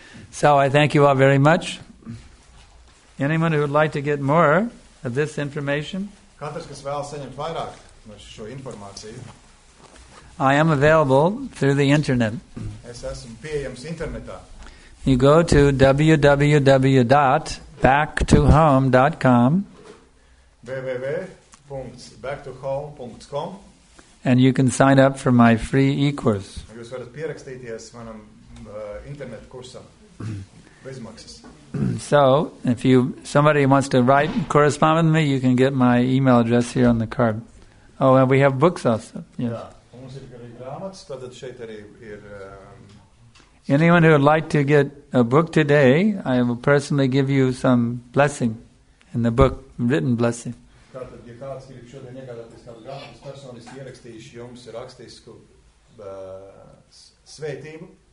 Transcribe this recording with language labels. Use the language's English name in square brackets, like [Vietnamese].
[English] So I thank you all very much. Anyone who would like to get more of this information? [Latvian] Katrs, kas vēl saņemt vairāk no šo informāciju. [English] I am available through the internet. [Latvian] Es esmu pieejams internetā. [English] You go to www.backtohome.com. www.backtohome.com. And you can sign up for my free e-course. [Latvian] Jūs varat pierakstīties manam internet kursam bez maksas. [English] So, if you somebody wants to write correspond with me, you can get my email address here on the card. Oh, and we have books also. Yes. [Latvian] Jā, mums ir arī grāmatas, tātad šeit arī ir [English] Anyone who would like to get a book today, I will personally give you some blessing in the book, written blessing. [Latvian] Tātad, ja kāds grib šodien iegādāties kādu grāmatu, es personiski ierakstīšu jums rakstisku svētību.